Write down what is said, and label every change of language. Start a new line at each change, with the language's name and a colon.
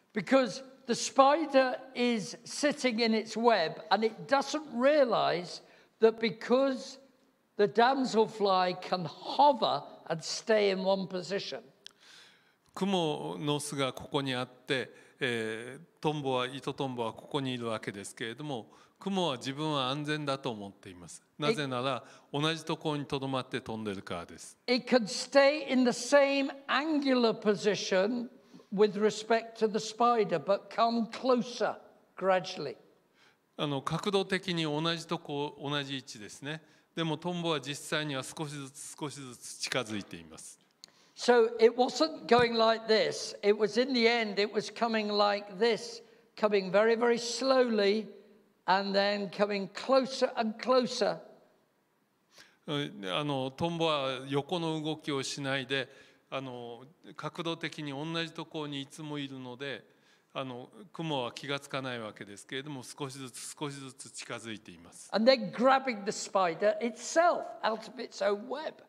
English: Because the spider is sitting in its web and it doesn't realize that because the damselfly can hover and stay in one position.
Japanese: 蜘蛛の巣がここにあって、トンボは糸トンボはここにいるわけですけれども。蜘蛛は自分は安全だと思っています。なぜなら同じところにとどまって飛んでるからです。
English: It can stay in the same angular position with respect to the spider, but come closer gradually.
Japanese: 角度的に同じとこ同じ位置ですね。でもトンボは実際には少しずつ少しずつ近づいています。
English: So it wasn't going like this. It was in the end, it was coming like this, coming very, very slowly. And then coming closer and closer.
Japanese: トンボは横の動きをしないで、角度的に同じところにいつもいるので、蜘蛛は気がつかないわけですけれども、少しずつ少しずつ近づいています。
English: And then grabbing the spider itself out of its own web.